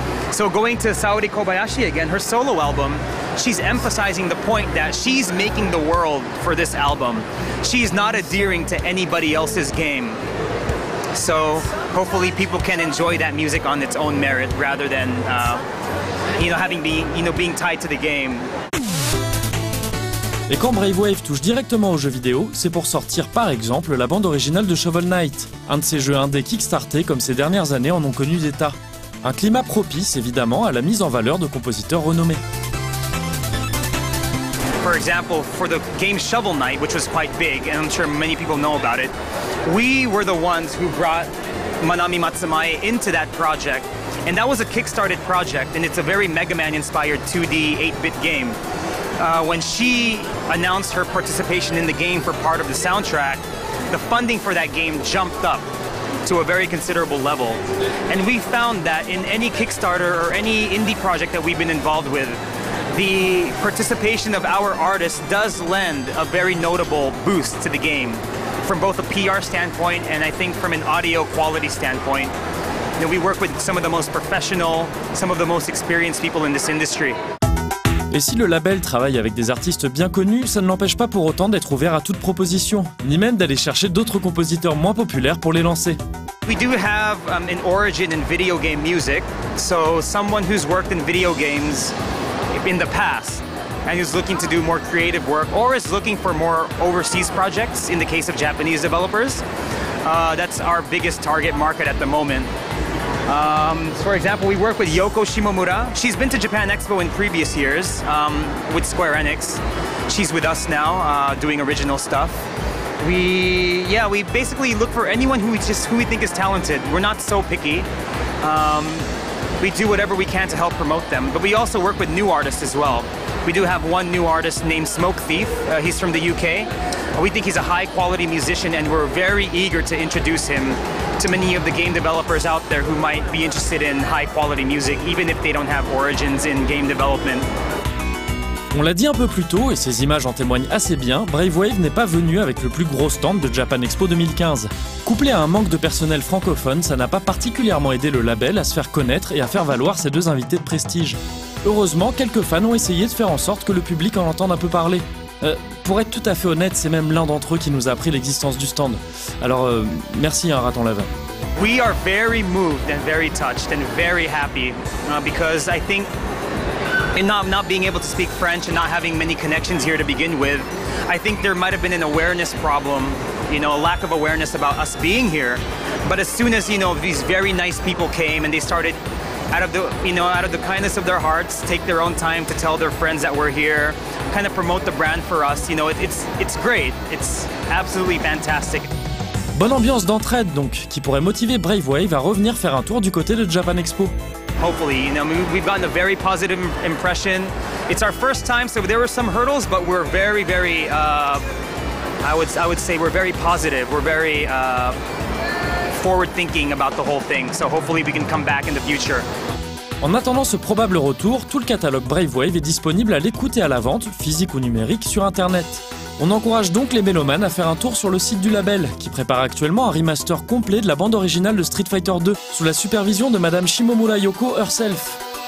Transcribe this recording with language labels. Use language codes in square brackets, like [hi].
[en] So going to Saori Kobayashi again, her solo album, she's emphasizing the point that she's making the world for this album. She's not adhering to anybody else's game. So hopefully people can enjoy that music on its own merit rather than being tied to the game. [fr] Et quand Brave Wave touche directement aux jeux vidéo, c'est pour sortir par exemple la bande originale de Shovel Knight, un de ces jeux indés kickstartés comme ces dernières années en ont connu des tas. Un climat propice évidemment à la mise en valeur de compositeurs renommés. [en] For example, for the game Shovel Knight, which was quite big, and I'm sure many people know about it, we were the ones who brought Manami Matsumae into that project. And that was a kickstarted project, and it's a very Mega Man inspired 2D 8-bit game. When she announced her participation in the game for part of the soundtrack, the funding for that game jumped up. to a very considerable level. And we found that in any Kickstarter or any indie project that we've been involved with, the participation of our artists does lend a very notable boost to the game from both a PR standpoint and I think from an audio quality standpoint. You know, we work with some of the most professional, some of the most experienced people in this industry. [fr] Et si le label travaille avec des artistes bien connus, ça ne l'empêche pas pour autant d'être ouvert à toute proposition, ni même d'aller chercher d'autres compositeurs moins populaires pour les lancer. [en] We do have an origin in video game music, so someone who's worked in video games in the past and who's looking to do more creative work or is looking for more overseas projects in the case of Japanese developers, that's our biggest target market at the moment. For example, we work with Yoko Shimomura. She's been to Japan Expo in previous years with Square Enix. She's with us now doing original stuff. We basically look for anyone who we think is talented. We're not so picky. We do whatever we can to help promote them, but we also work with new artists as well. We do have one new artist named Smoke Thief. He's from the UK. We think he's a high quality musician and we're very eager to introduce him to many of the game developers out there who might be interested in high quality music, even if they don't have origins in game development. [fr] On l'a dit un peu plus tôt, et ces images en témoignent assez bien, Brave Wave n'est pas venu avec le plus gros stand de Japan Expo 2015. Couplé à un manque de personnel francophone, ça n'a pas particulièrement aidé le label à se faire connaître et à faire valoir ses deux invités de prestige. Heureusement, quelques fans ont essayé de faire en sorte que le public en entende un peu parler. Pour être tout à fait honnête, c'est même l'un d'entre eux qui nous a appris l'existence du stand. Alors, merci à Raton Laveur. [en] We are very moved and very touched and very happy because I think in not being able to speak French and not having many connections here to begin with, I think there might have been an awareness problem, you know, a lack of awareness about us being here. But as soon as, you know, these very nice people came and they started out of the kindness of their hearts, take their own time to tell their friends that we're here, kind of promote the brand for us, you know, it's great. It's absolutely fantastic. [fr] Bonne ambiance d'entraide donc, qui pourrait motiver Brave Wave à revenir faire un tour du côté de Japan Expo. [en] Hopefully, you know, we've gotten a very positive impression. It's our first time, so there were some hurdles, but we're very, very, I would say we're very positive. We're very forward-thinking about the whole thing. So hopefully we can come back in the future. [fr] En attendant ce probable retour, tout le catalogue Brave Wave est disponible à l'écoute et à la vente, physique ou numérique, sur Internet. On encourage donc les mélomanes à faire un tour sur le site du label, qui prépare actuellement un remaster complet de la bande originale de Street Fighter 2, sous la supervision de Madame Shimomura Yoko herself.